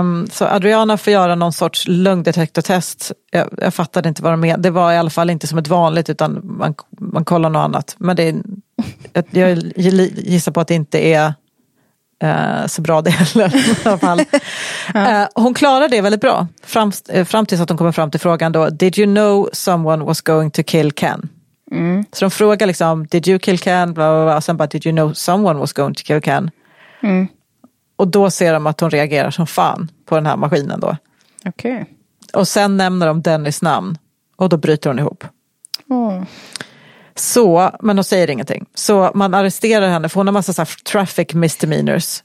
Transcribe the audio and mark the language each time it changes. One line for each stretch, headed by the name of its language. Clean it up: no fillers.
Swedish: Så Adriana får göra någon sorts lungdetektortest. Jag fattade inte vad de menade. Det var i alla fall inte som ett vanligt, utan man kollar något annat. Men jag gissar på att det inte är så bra det heller. I alla fall. Hon klarar det väldigt bra. Fram tills att hon kommer fram till frågan då.
English: Did you know someone was going to kill Ken? Mm.
Swedish: Så de frågar liksom,
English: did you kill Ken? Blablabla.
Swedish: Och sen bara,
English: did you know someone was going to kill Ken? Mm.
Swedish: Och då ser de att hon reagerar som fan på den här maskinen då.
English: Okay.
Swedish: Och sen nämner de Dennis namn och då bryter hon ihop. Oh. Så, men hon säger ingenting. Så man arresterar henne, för hon har massa så här
English: traffic misdemeanors.